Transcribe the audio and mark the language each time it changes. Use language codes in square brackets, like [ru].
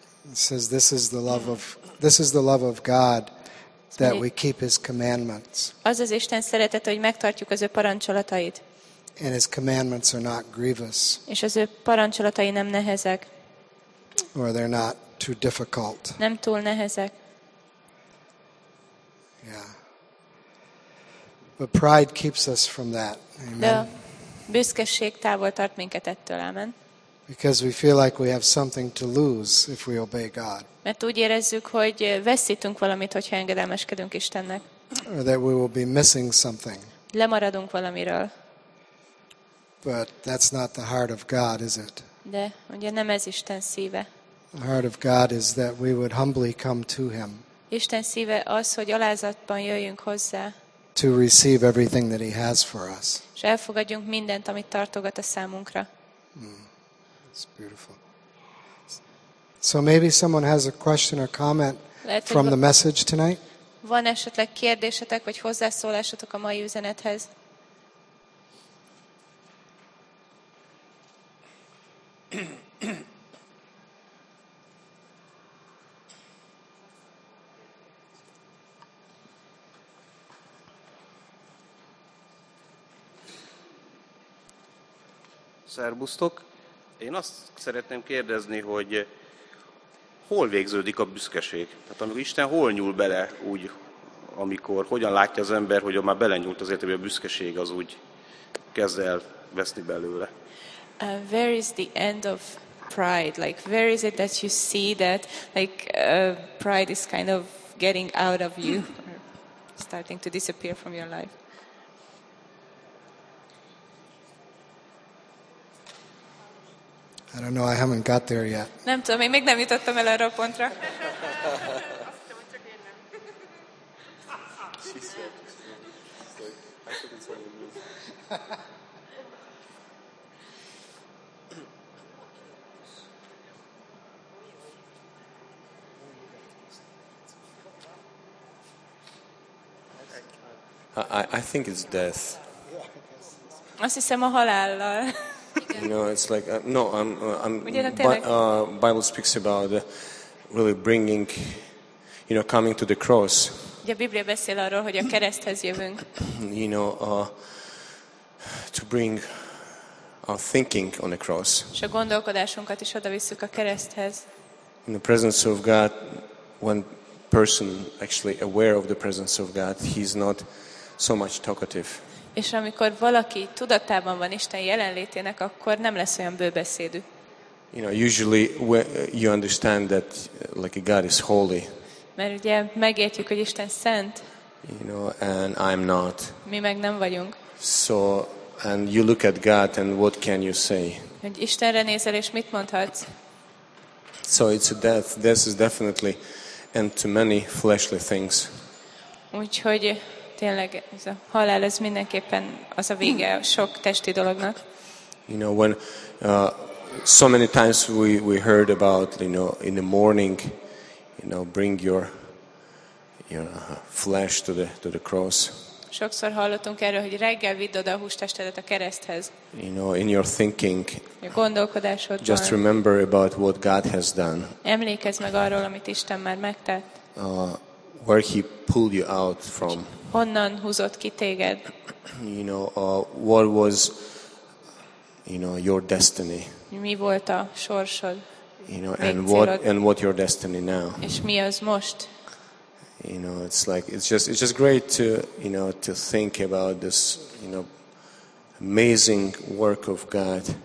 [en] It says this is the love of God that we keep his commandments. [hu] Az az Isten szeretete, hogy megtartjuk az ő parancsolatait. [en] And his commandments are not grievous. [hu] És az ő parancsolatai nem nehezek. [en] Or they're not too difficult. [hu] Nem túl nehezek. [en] Yeah. But pride keeps us from that. Amen. [hu] De büszkeség távol tart minket ettől, amen. [en] Because we feel like we have something to lose if we obey God. [hu] Mert úgy érezzük, hogy veszítünk valamit, hogyha engedelmeskedünk Istennek. [en] Or that we will be missing something. [hu] Lemaradunk valamiről. [en] But that's not the heart of God, is it? [hu] De ugye nem ez Isten szíve. [en] The heart of God is that we would humbly come to him. [hu] Isten szíve az, hogy alázatban jöjjünk hozzá. [en] To receive everything that he has for us. [hu] És elfogadjunk mindent, amit tartogat a számunkra. [en] It's beautiful. So maybe someone has a question or comment from the message tonight? [hu] Van esetleg kérdésetek vagy hozzászólásotok a mai üzenethez? Szerbusztok. Én azt szeretném kérdezni, hogy hol végződik a büszkeség? Tehát amikor Isten hol nyúl bele, úgy, amikor hogyan látja az ember, hogy már belenyúlt azért, hogy a büszkeség az úgy kezd el veszni belőle. [en] Where is the end of pride? Like, where is it that you see that like pride is kind of getting out of you, or starting to disappear from your life? I don't know, I haven't got there yet. [hu] Nem tudom, én még nem jutottam el arra a pontra. [en] I think it's death. [hu] Azt hiszem a halállal. [en] You know, it's like Bible speaks about really bringing, you know, coming to the cross. [hu] Ugye a Biblia beszél arról, hogy a kereszthez jövünk. [en] You know, to bring our thinking on the cross. [hu] És a gondolkodásunkat is oda visszük a kereszthez. [en] In the presence of God, one person actually aware of the presence of God, he's not so much talkative. [hu] És amikor valaki tudatában van Isten jelenlétének, akkor nem lesz olyan bőbeszédű. [en] You know, usually you understand that like God is holy. [hu] Mert ugye megértjük, hogy Isten szent. [en] You know, and I'm not. [hu] Mi meg nem vagyunk. [en] So, and you look at God and what can you say? [hu] Hogy Istenre nézel és mit mondhatsz? [en] So it's a death. This is definitely end to many fleshly things. [hu] Úgyhogy tényleg ez a halál, ez mindenképpen az a vége sok testi dolognak. [en] You know, when so many times we heard about, you know, in the morning, you know, bring your flesh to the cross. [hu] Sokszor hallottunk erről, hogy reggel vidd oda a hústestedet a kereszthez. [en] You know, in your thinking, [hu] a gondolkodásodban, [en] just remember about what God has done. [hu] Emlékezz meg arról, amit Isten már megtett. [en] where he pulled you out from. [hu] Honnan húzott ki téged? [en] You know, what was, you know, your destiny? [hu] Mi volt a sorsod? [en] You know, and what your destiny now? [hu] És mi az most? [en] You know, it's just great to, you know, to think about this, you know, amazing work of God.